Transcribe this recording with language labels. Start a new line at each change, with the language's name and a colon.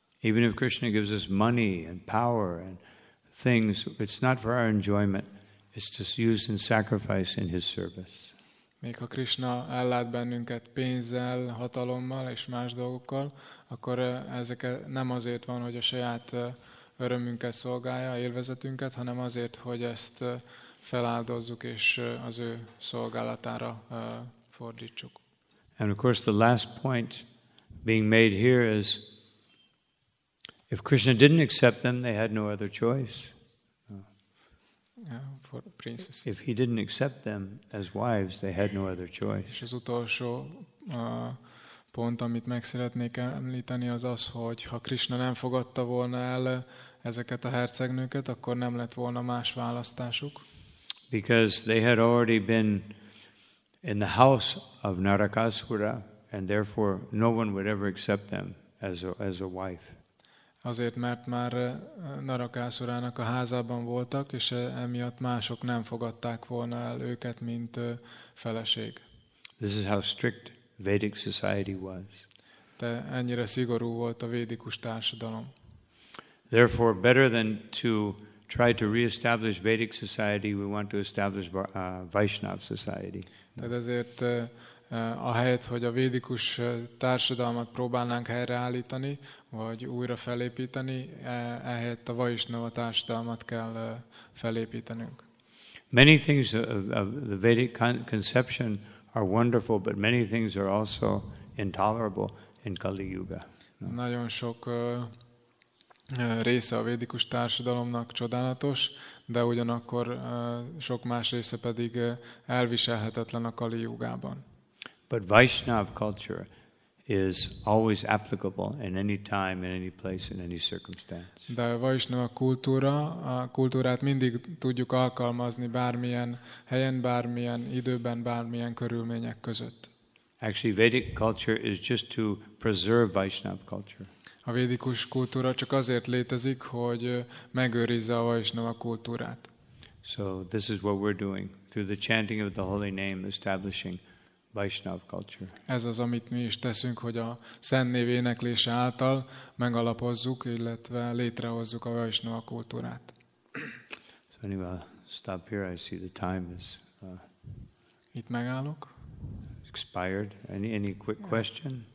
English: Even if Krishna gives us money and power and things, it's not for our enjoyment, it's just used in sacrifice in his service.
Hungarian: Még ha Krishna ellát bennünket pénzzel, hatalommal és más dolgokkal, akkor ezek nem azért van, hogy a saját örömünket szolgálja, élvezetünket, hanem azért, hogy ezt feláldozzuk és az ő szolgálatára fordítsuk.
English: And of course the last point being made here is if Krishna didn't accept them, they had no other choice. Yeah, for princess. If he didn't accept them as wives, they had no other choice.
Hungarian: És az utolsó pont, amit meg szeretnék említeni, az az, hogy ha Krishna nem fogadta volna el ezeket a hercegnőket, akkor nem lett volna más választásuk.
English: Because they had already been in the house of Narakasura, and therefore no one would ever accept them as a wife.
Hungarian: Azért, mert már Narakasurának a házában voltak, és emiatt mások nem fogadták volna el őket, mint feleség.
English: This is how strict Vedic society was.
Hungarian: De ennyire szigorú volt a védikus társadalom.
English: Therefore, better than to try to re-establish Vedic society, we want to establish Vaishnav society.
Hungarian: Tehát ezért ahelyett, hogy a védikus társadalmat próbálnánk helyreállítani, vagy újra felépíteni, ehelyett a Vaishnava társadalmat kell felépítenünk.
English: Many things of the Vedic conception are wonderful, but many things are also intolerable in Kali Yuga.
Hungarian: Nagyon sok része a védikus társadalomnak csodálatos, de ugyanakkor sok más része pedig elviselhetetlen a Kali Yugában.
English: But Vaishnav culture is always applicable in any time, in any place, in any circumstance.
Hungarian: De a Vaishnava kultúrát mindig tudjuk alkalmazni bármilyen helyen, bármilyen időben, bármilyen körülmények között.
English: Actually, Vedic culture is just to preserve Vaishnav culture.
Hungarian: A védikus kultúra csak azért létezik, hogy megőrizze a Vaishnava kultúrát.
English: So this is what we're doing through the chanting of the holy name, establishing Vaishnava culture.
Hungarian: Ez az, amit mi is teszünk, hogy a szent név éneklése által megalapozzuk, illetve létrehozzuk a Vaishnava kultúrát.
English: So anyway, stop here. I see the time is.
Hungarian: Itt megállok.
English: Expired. Any quick question?